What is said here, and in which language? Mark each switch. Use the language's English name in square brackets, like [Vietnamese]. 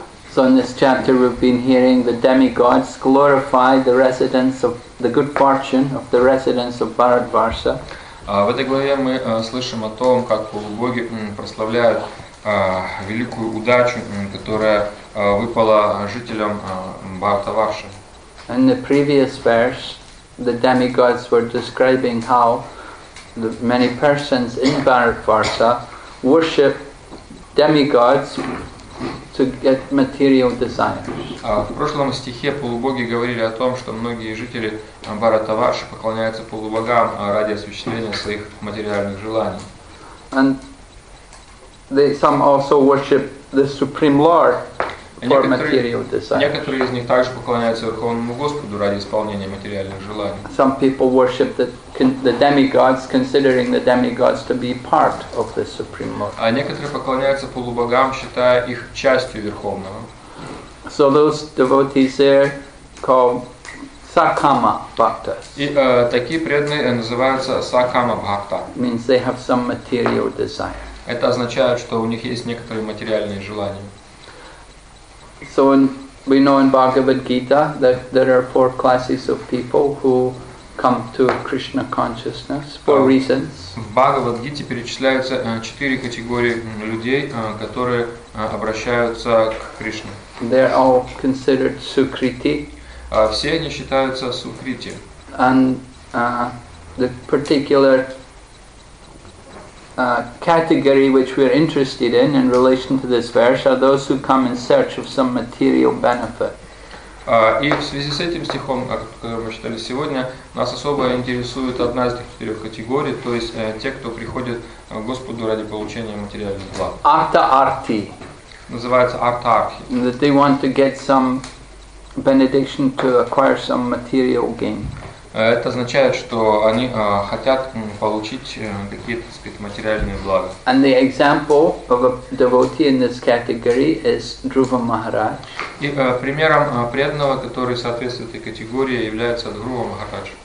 [English] So in this chapter we've been hearing the demigods glorify the residents of the good fortune of the residents of Bharatvarsha. [Russian] В этой главе мы слышим о том, как боги прославляют великую удачу, которая выпала жителям Бхартаварши. [English] In the previous verse, the demigods were describing how the many persons in Bharatvarsha worship demigods to get material desires. [Russian] В прошлом стихе полубоги говорили о том, что многие жители Бхартаварши поклоняются полубогам ради осуществления своих материальных желаний. [English] And they some also worship the Supreme Lord. [Russian] Некоторые из них также поклоняются Верховному Господу ради исполнения материальных желаний. [English] Some people worship the demigods, considering the demigods to be part of the Supreme Lord. [Russian] А некоторые поклоняются полубогам, считая их частью Верховного. [English] So those devotees there called Sakama Bhaktas. [Russian] И такие преданные называются Sakama Bhakta. [English] Means they have some material desire. [Russian] Это означает, что у них есть некоторые материальные желания. [English] So we know in Bhagavad Gita that there are four classes of people who come to Krishna consciousness for reasons. [Russian] В Бхагавад Гите перечисляются четыре категории людей, которые обращаются к Кришне. [English] They are all considered Sukriti. [Russian] Все они считаются Сукрити. [English] And the particular category which we are interested in relation to this verse are those who come in search of some material benefit. [Russian] И в связи с этим стихом, который мы читали сегодня, нас особо интересует одна из четырех категорий, то есть те, кто приходит к Господу ради получения материальных благ. Артаарти. Называется артаархи. [English] That they want to get some benediction to acquire some material gain. [Russian] Это означает, что они хотят получить какие-то, так сказать, материальные блага. [English] And the example of a devotee in this category is Dhruva Maharaj. [Russian] И примером преданного, который соответствует этой категории, является Dhruva Maharaj.